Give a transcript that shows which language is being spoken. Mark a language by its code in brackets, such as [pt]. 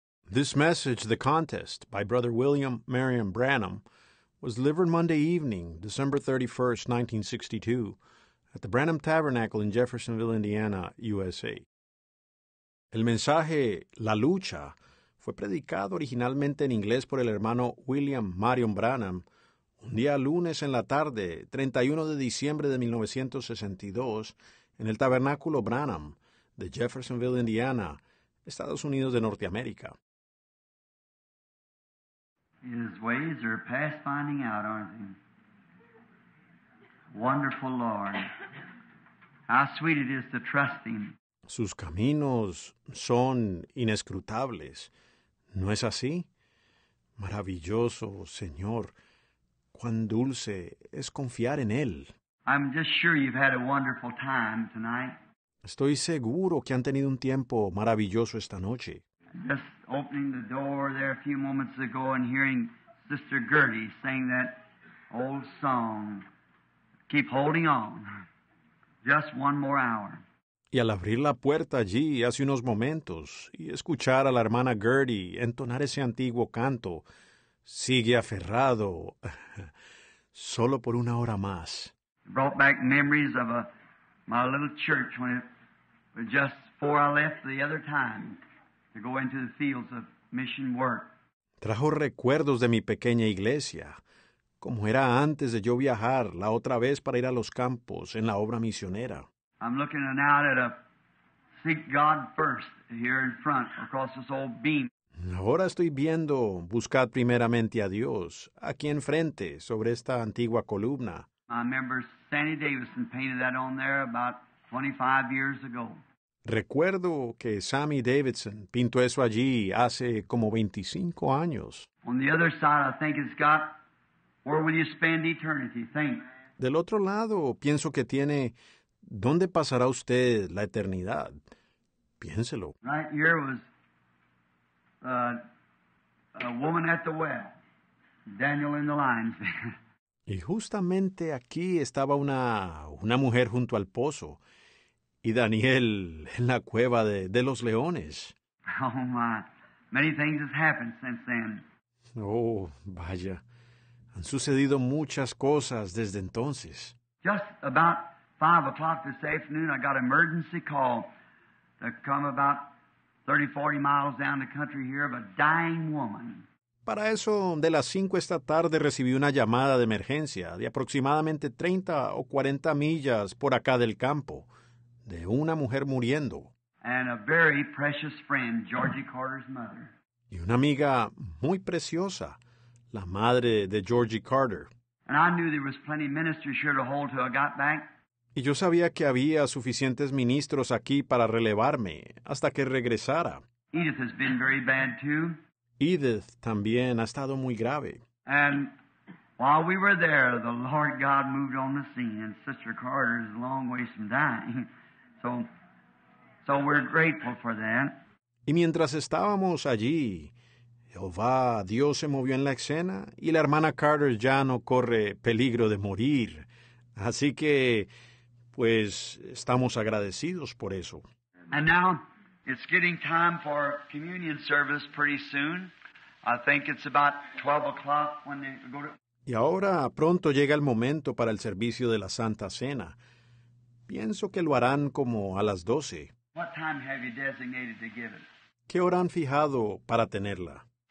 [en] This message, The Contest, by Brother William Marion Branham, was delivered Monday evening, December 31, 1962, at the Branham Tabernacle in Jeffersonville, Indiana, USA. [es] El mensaje, La Lucha, fue predicado originalmente en inglés por el hermano William Marion Branham un día lunes en la tarde, 31 de diciembre de 1962, en el Tabernáculo Branham de Jeffersonville, Indiana, Estados Unidos de Norteamérica. [en] His ways are past finding out, aren't they? Wonderful Lord, how sweet it is to trust Him. [es] Sus caminos son inescrutables, ¿no es así? Maravilloso Señor, cuán dulce es confiar en Él. [en] I'm just sure you've had a wonderful time tonight. [es] Estoy seguro que han tenido un tiempo maravilloso esta noche. [en] Just opening the door there a few moments ago and hearing Sister Gertie sing that old song, Keep Holding On, Just One More Hour. [es] Y al abrir la puerta allí hace unos momentos y escuchar a la hermana Gertie entonar ese antiguo canto, Sigue Aferrado, solo por una hora más. [en] Brought back memories of my little church when just before I left the other time. To go into the fields of mission work. [es] Trajo recuerdos de mi pequeña iglesia, como era antes de yo viajar la otra vez para ir a los campos en la obra misionera. [en] I'm looking out at a Seek God First here in front across this old beam. [es] Ahora estoy viendo Buscad Primeramente a Dios aquí enfrente sobre esta antigua columna. [en] I remember Sandy Davison painted that on there about 25 years ago. [es] Recuerdo que Sammy Davidson pintó eso allí hace como 25 años. [en] On the other side, I think it's got, where will you spend eternity? Think. [es] Del otro lado, pienso que tiene, ¿dónde pasará usted la eternidad? Piénselo. [en] Right here was a woman at the well, Daniel in the lions. [es] Y justamente aquí estaba una mujer junto al pozo. Y Daniel en la cueva de los leones. [en] Oh, my. Many things have happened since then. [es] Oh, vaya. Han sucedido muchas cosas desde entonces. [en] Just about 5 o'clock this afternoon, I got an emergency call to come about 30, 40 miles down the country here of a dying woman. [es] Para eso, de las 5 esta tarde recibí una llamada de emergencia de aproximadamente 30 o 40 millas por acá del campo. De una mujer muriendo. [en] And a very precious friend, Georgie Carter's mother. [es] Y una amiga muy preciosa, la madre de Georgie Carter. [en] And I knew there was plenty of ministers here to hold till I got back. [es] Y yo sabía que había suficientes ministros aquí para relevarme hasta que regresara. [en] Edith has been very bad too. [es] Edith también ha estado muy grave. [en] And while we were there, the Lord God moved on the scene, and Sister Carter is a long ways from dying. So we're grateful for that. [es] Y mientras estábamos allí, Jehová, Dios se movió en la escena y la hermana Carter ya no corre peligro de morir. Así que, pues, estamos agradecidos por eso. [en] And now it's getting time for communion service pretty soon. I think it's about 12 o'clock when they go to... [es] Y ahora pronto llega el momento para el servicio de la Santa Cena. Pienso que lo harán como a las 12. [en] What time have you designated to give it? [es] ¿Qué hora han fijado para tenerla?